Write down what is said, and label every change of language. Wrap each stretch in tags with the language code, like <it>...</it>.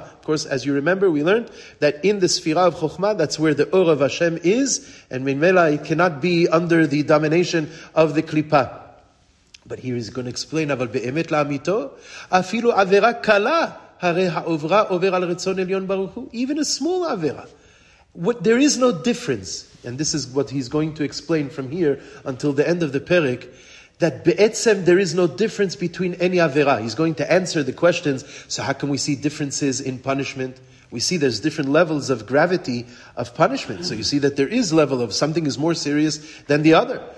<en>Of course, as you remember, we learned that in the Sfira of Chokhmah, that's where the Or of Hashem is, and Minmela, it cannot be under the domination of the Klipa. But here he's going to explain,</en> <he>אבל באמת לעמיתו, אפילו עבירה קלה, הרי העוברה עובר על רצון עליון ברוך הוא,</he> <en>even a small</en> <he>עבירה.</he> <en>There is no difference, and this is what he's going to explain from here until the end of the perek, that be'etzem there is no difference between any avera. He's going to answer the questions, so how can we see differences in punishment? We see there's different levels of gravity of punishment. So you see that there is level of something is more serious than the other.</en>